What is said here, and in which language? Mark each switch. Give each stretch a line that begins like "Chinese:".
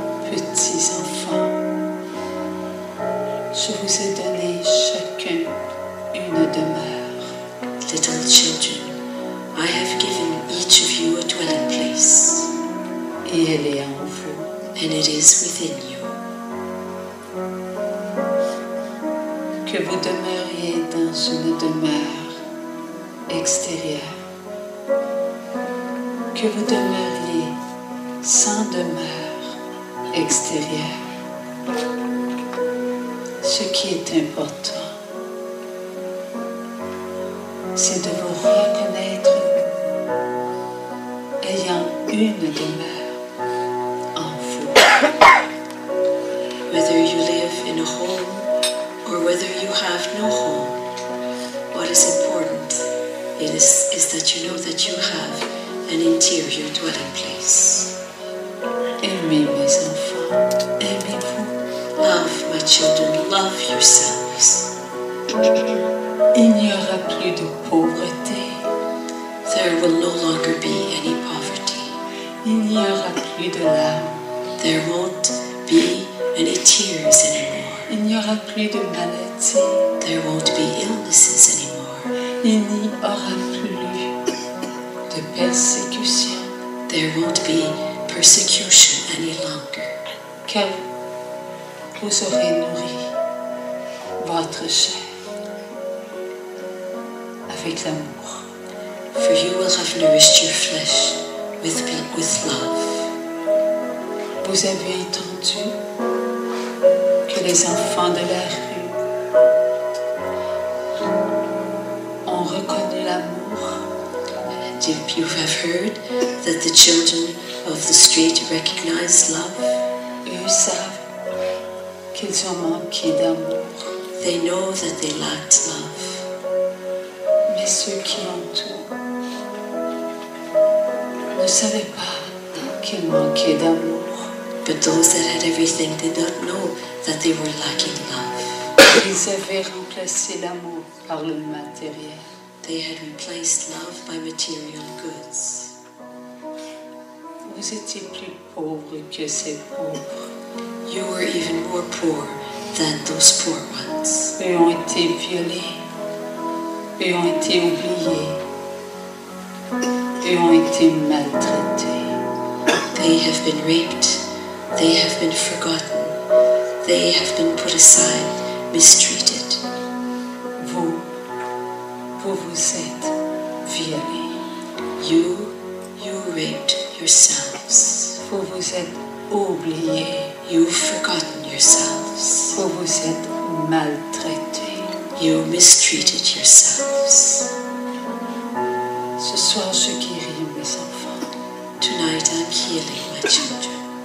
French: Petits enfants, je vous ai donné chacun une demeure.
English: Little children, I have given each of you a dwelling place.
French: Et elle est en vous.
English: And it is within you.
French: Que vous demeuriez dans une demeure extérieure. Que vous demeuriez sans demeure extérieure. Ce qui est important, c'est de vous reconnaître ayant une demeure en vous.
English: Whether you live in a home or whether you have no home, what is important is that you know that you have an interior dwelling place.
French: Aimez mes enfants, aimez-vous.
English: Love, my children, love yourselves.
French: Il n'y aura plus de pauvreté.
English: There will no longer be any poverty.
French: Il n'y aura plus de larmes.
English: There won't be any tears anymore.
French: Il n'y aura plus de maladie.
English: There won't be illnesses anymore.
French: Il n'y aura plus de persécution.
English: There won't be persecution any longer.
French: Car vous aurez nourri votre chair avec l'amour.
English: For you will have nourished your flesh with love.
French: Vous avez entendu que les enfants de la rue ont reconnu l'amour.
English: And if you have heard that the children of the street recognize love,
French: eux savent qu'ils ont manqué d'amour.
English: They know that they lacked love.
French: Mais ceux qui ont tout ne savaient pas qu'ils manquaient d'amour.
English: But those that had everything did not know that they were lacking love.
French: Ils avaient remplacé l'amour par le matériel.
English: They had replaced love by material goods.
French: Vous étiez plus pauvres que ces pauvres.
English: You were even more poor than those poor ones.
French: Ils ont été violés. Ils ont été oubliés. Ils ont été maltraités.
English: They have been raped. They have been forgotten. They have been put aside, mistreated.
French: Vous vous êtes violés.
English: You raped yourselves.
French: Vous vous êtes oubliés.
English: You've forgotten yourselves.
French: Vous vous êtes maltraités.
English: You mistreated yourselves.
French: Ce soir, je guéris mes enfants.
English: Tonight, I'm healing my children.